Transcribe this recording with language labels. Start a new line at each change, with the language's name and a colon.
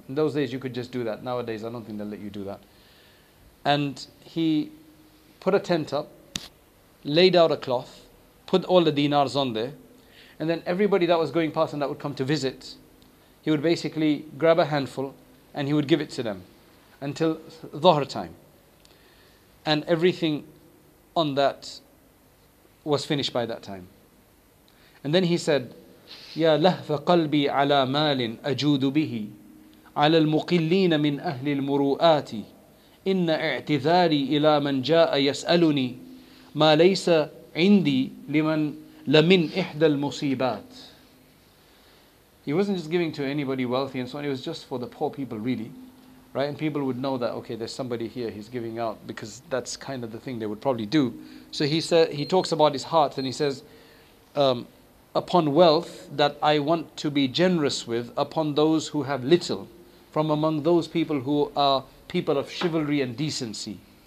English: In those days you could just do that. Nowadays I don't think they'll let you do that. And he put a tent up, laid out a cloth, put all the dinars on there, and then everybody that was going past and that would come to visit, he would basically grab a handful and he would give it to them until Dhuhr time. And everything on that was finished by that time. And then he said,
Arabic: يَا لَهْفَ قَلْبِي عَلَى مَالٍ أَجُودُ بِهِ عَلَى الْمُقِلِّينَ مِنْ أَهْلِ الْمُرُوءَاتِ إِنَّ اعْتِذَارِي إِلَى مَنْ جَاءَ يَسْأَلُنِي مَا لَيْسَ عِنْدِي لِمَنْ لَمِنْ إِحْدَى الْمُصِيبَاتِ.
English: He wasn't just giving to anybody wealthy and so on, it was just for the poor people really, right? And people would know that, okay, there's somebody here, he's giving out, because that's kind of the thing they would probably do. So he talks about his heart and he says, upon wealth that I want to be generous with, upon those who have little, from among those people who are people of chivalry and decency.